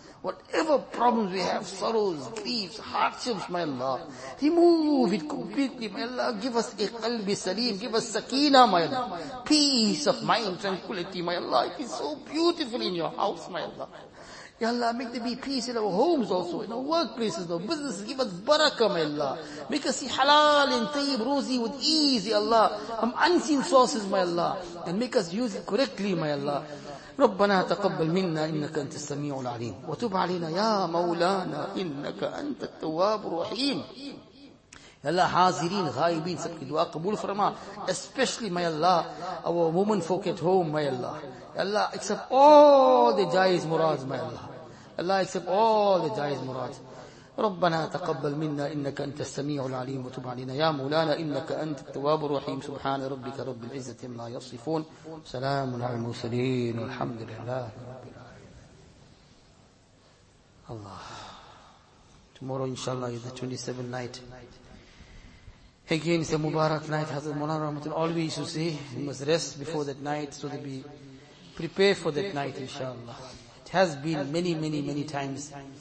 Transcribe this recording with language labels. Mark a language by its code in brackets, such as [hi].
[en] whatever problems we have sorrows griefs hardships my Allah remove it completely my Allah give us a قلب سليم give us سكينة my Allah peace of mind tranquility my Allah it is so beautiful in your house, my Allah. Ya Allah, make there be peace in our homes also, in our workplaces, in our businesses. Give us barakah, my Allah. Make us see halal and tayyib, rosy with ease, ya Allah. From unseen sources, my Allah. And make us use it correctly, my Allah. [ar] ربنا تقبل منا إنك أنت السميع العليم. وتب علينا يا مولانا إنك أنت التواب الرحيم. [ur] Allah, hazirin, ghaibin, sabki dua, qabool farma. [en] Especially, my Allah, our women folk at home, my Allah. Allah, accept all the jais murads, my Allah. Allah, accept all the jais murads. [ar] ربنا تقبل منا إنك أنت السميع العليم وتب علينا يا مولانا إنك أنت التواب الرحيم سبحان ربك رب العزة ما يصفون سلام على المرسلين والحمد لله رب العالمين. [en] Allah. Tomorrow, inshallah, is the 27th night. Again, it's a Mubarak night. Hazrat Mawlana Rahmatullah always used to say, we must rest before that night so that we prepare for that night, inshallah. It has been many times